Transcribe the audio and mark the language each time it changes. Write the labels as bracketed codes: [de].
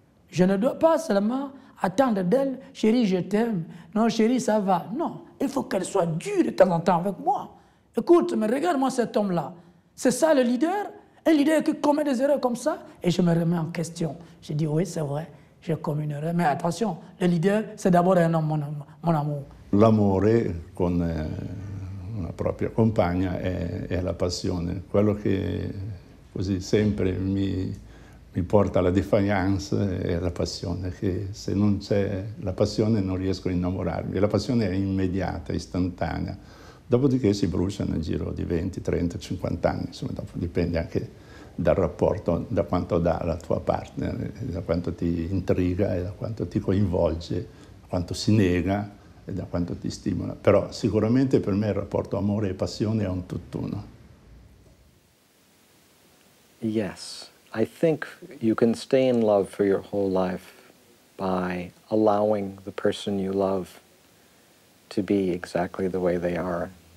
[fr] Je ne dois pas seulement attendre d'elle, chérie, je t'aime. Non, chérie, ça va. Non, il faut qu'elle soit dure de temps en temps avec moi. Écoute, mais regarde-moi cet homme-là. C'est ça le leader? Un leader qui commet des erreurs comme ça? Et je me remets en question. Je dis oui, c'est vrai. J'ai commis une erreur, mais attention, le leader, c'est d'abord un homme, mon amour. [it] L'amore con una propria compagna è la passione. Quello che così sempre mi mi porta la défaillance e la passione, che se non c'è la passione non riesco a innamorarmi. La passione è immediata, istantanea, dopodiché si brucia nel giro di 20, 30, 50 anni, insomma dopo dipende anche dal rapporto, da quanto dà la tua partner, da quanto ti intriga e da quanto ti coinvolge, da quanto si nega e da quanto ti stimola. Però sicuramente per me il rapporto amore e passione è un tutt'uno. [en] Yes, I think you can stay in love for your whole life by allowing the person you love to be exactly the way they are.